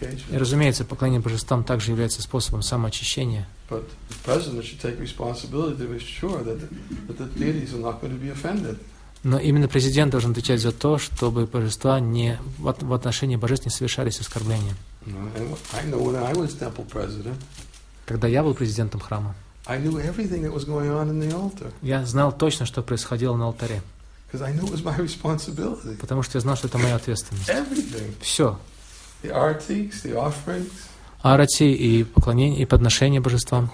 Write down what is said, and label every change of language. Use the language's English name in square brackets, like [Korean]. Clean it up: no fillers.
[Russian] И, разумеется, поклонение божествам также является способом самоочищения. [English] But the president should take responsibility to be sure that the deities are not going to be offended. [Russian] Но именно президент должен отвечать за то, чтобы божества не в отношении божеств не совершались оскорбления. [English] I know when I was temple president, [Russian] когда я был президентом храма, [English] I knew everything that was going on in the altar. [Russian] Я знал точно, что происходило на алтаре. [English] Because I knew it was my responsibility. [Russian] Потому что я знал, что это моя ответственность. [English] Everything. [Russian] Все. [English] The artics, the offerings. [Russian] Арати и поклонение, и подношение божествам,